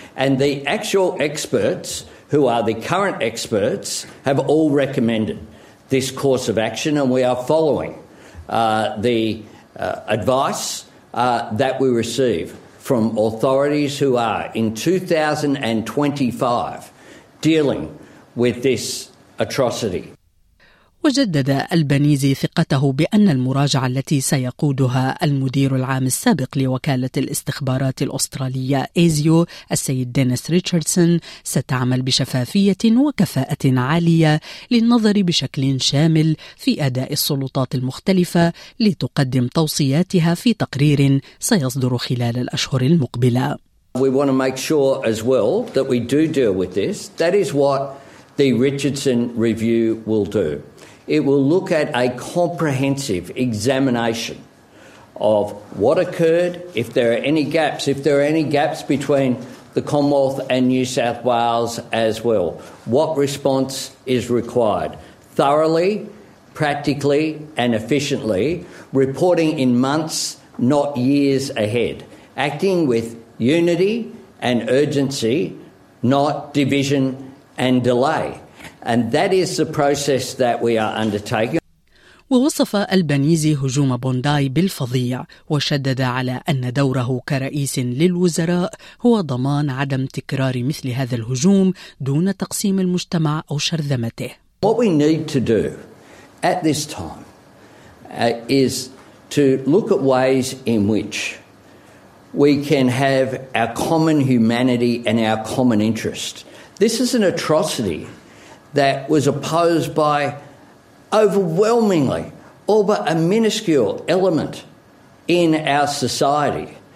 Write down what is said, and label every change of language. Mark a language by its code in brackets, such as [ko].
[en] And the actual experts, who are the current experts, have all recommended this course of action, and we are following the advice that we receive from authorities who are, in 2025, dealing with this atrocity. [ar] وجدد البنيزي ثقته بأن المراجعة التي سيقودها المدير العام السابق لوكالة الاستخبارات الأسترالية إيزيو السيد دينيس ريتشاردسون ستعمل بشفافية وكفاءة عالية للنظر بشكل شامل في أداء السلطات المختلفة لتقدم توصياتها في تقرير سيصدر خلال الأشهر المقبلة. [en] We want to make sure as well that we do deal with this. That is what the Richardson review will do. It will look at a comprehensive examination of what occurred, if there are any gaps, if there are any gaps between the Commonwealth and New South Wales as well, what response is required, thoroughly, practically and efficiently, reporting in months, not years ahead, acting with unity and urgency, not division and delay. And that is the process that we are undertaking. [ar] ووصف البنيزي هجوم بونداي بالفظيع وشدد على أن دوره كرئيس للوزراء هو ضمان عدم تكرار مثل هذا الهجوم دون تقسيم المجتمع أو شرذمته. [en] What we need to do at this time is to look at ways in which we can have our common humanity and our common interest. This is an atrocity that was opposed by overwhelmingly all but a minuscule element in our society.